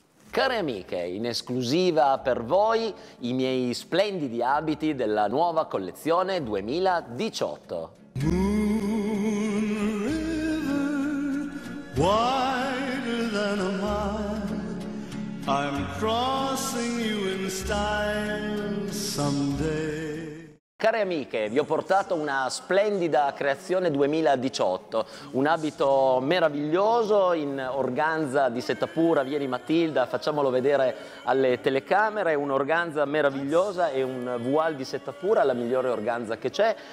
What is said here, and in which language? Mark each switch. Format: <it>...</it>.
<it>Care amiche, in esclusiva per voi i miei splendidi abiti della nuova collezione 2018.</it> <en>Moon River, wider than a mile, I'm crossing you in style someday.</en> <it>Care amiche, vi ho portato una splendida creazione 2018, un abito meraviglioso in organza di seta pura, vieni Matilda, facciamolo vedere alle telecamere, un'organza meravigliosa e un voile di seta pura, la migliore organza che c'è,</it>